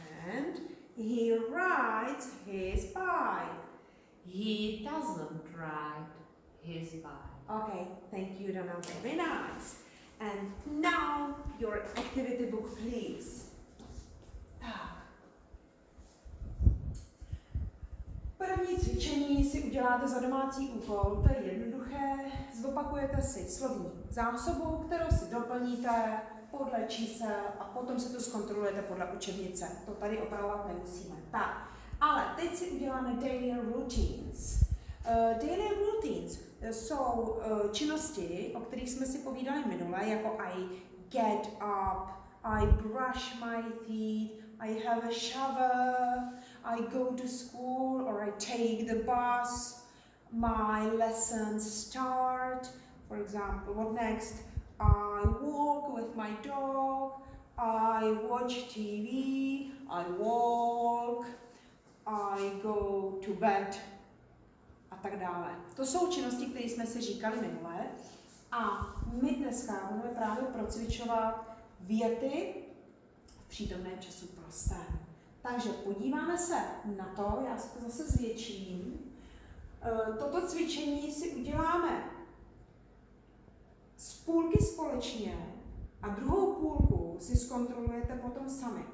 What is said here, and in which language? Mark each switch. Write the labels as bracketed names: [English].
[English] And he rides his bike. He doesn't ride his bike. Okay, thank you, Dana. Very nice. And now your activity book, please. [Czech] První cvičení si uděláte za domácí úkol, to je jednoduché. Zopakujete si slovní zásobu, kterou si doplníte podle čísel a potom si to zkontrolujete podle učebnice. To tady opravovat nemusíme. Tak, ale teď si uděláme [English] daily routines. Daily routines [Czech] jsou činnosti, o kterých jsme si povídali minule, jako [English] I get up, I brush my teeth, I have a shower, I go to school or I take the bus, my lessons start, for example, what next? I walk with my dog, I watch TV, I walk, I go to bed, [Czech] a tak dále. To jsou činnosti, které jsme si říkali minule. A my dneska budeme právě procvičovat věty v přítomném času prostém. Takže podíváme se na to, já se to zase zvětším. Toto cvičení si uděláme z půlky společně a druhou půlku si zkontrolujete potom sami.